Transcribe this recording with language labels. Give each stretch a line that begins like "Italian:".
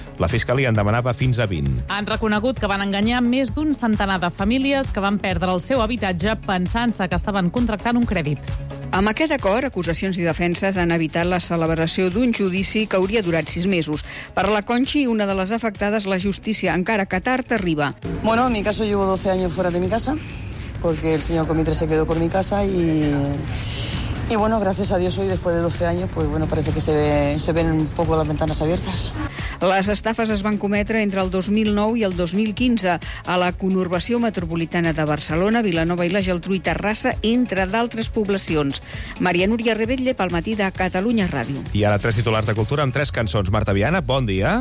Catalan: La fiscalia en demanava fins a 20. Han reconegut que van enganyar més d'un centenar de famílies que van perdre el seu habitatge pensant-se que estaven contractant un crèdit. Amb aquest acord, acusacions i defenses han evitat la celebració d'un judici que hauria durat 6 mesos. Per la Conchi, una de les afectades, la justícia, encara que tard, arriba.
Spanish: Bueno, en mi caso llevo 12 años fuera de mi casa. Porque el señor Comitre se quedó por mi casa y bueno, gracias a Dios hoy, después de 12 años, pues bueno, parece que se ven un poco las ventanas abiertas.
Catalan: Les estafes es van cometre entre el 2009 i el 2015 a la conurbació metropolitana de Barcelona, Vilanova i la Geltrú i Terrassa, entre d'altres poblacions. Maria Núria Rebetlle, pel matí de Catalunya Ràdio. I ara tres titulars de cultura amb tres cançons. Marta Viana, bon dia.